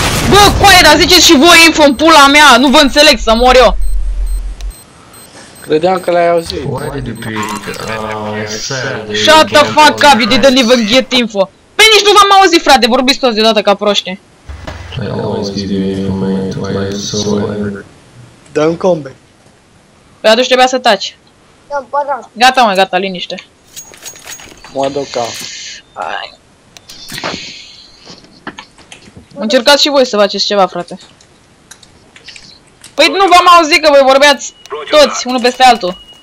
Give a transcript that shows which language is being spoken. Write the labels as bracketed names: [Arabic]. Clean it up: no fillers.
[Romanian] Bă, cu aia, dar ziceți și voi info în pula mea, nu vă înțeleg să mor eu. Credeam că l-ai auzit. [English] Why did you pick? Shut the fuck up, you didn't even get info. [Romanian] Pe nici nu v-am auzit, frate, vorbiți toți deodată ca proști. [English] I always give you info, man, why is so weird. [Romanian] Dă-mi combe. Păi atunci trebuia să taci. Da-mi, gata, mă, gata, liniște. Mă aduca. Încercați și voi să faceți ceva, frate. Păi nu v-am auzit că voi vorbeați toți, unul peste altul.